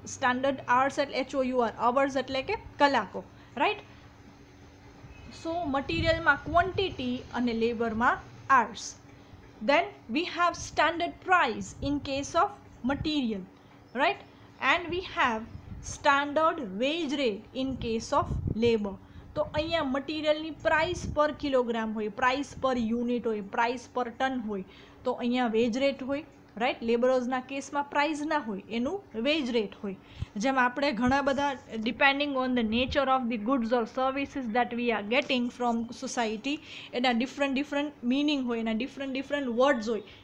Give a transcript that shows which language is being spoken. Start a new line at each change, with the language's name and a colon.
Gujarati: Standard આર્સ એટલે H O you are, hours એટલે કે કલાકો, રાઈટ? સો મટીરિયલમાં ક્વોન્ટિટી અને લેબરમાં આર્સ.
English: Then we have standard price in case of material, right? And we have standard wage rate in case of labor.
Gujarati: તો અહીંયા મટીરિયલની price પર kilogram હોય, price પર યુનિટ હોય, પ્રાઇસ પર ટન હોય, તો અહીંયા વેજ રેટ હોય, રાઈટ? લેબરર્સના કેસમાં પ્રાઇસ ના હોય, એનું વેજ રેટ હોય. જેમ આપણે ઘણા બધા
English: depending on the nature of the goods or services that we are getting from society,
Gujarati: એના ડિફરન્ટ ડિફરન્ટ મિનિંગ હોય, એના ડિફરન્ટ ડિફરન્ટ વર્ડ્સ હોય.